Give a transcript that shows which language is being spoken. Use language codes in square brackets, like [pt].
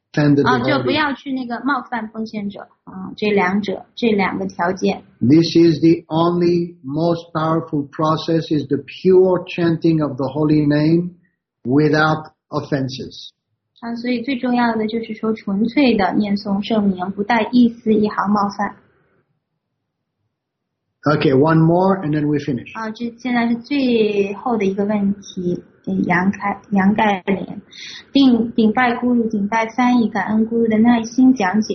[zh] 就不要去那个冒犯奉献者这两个条件。 [en] This is the only most powerful process is the pure chanting of the holy name without offenses. [zh] 所以最重要的就是说纯粹的念诵圣名，不带一丝一毫冒犯。 [en] Okay, one more and then we finish. [zh] 这现在是最后的一个问题。杨盖莲顶拜咕噜，顶拜翻译，感恩咕噜的耐心讲解。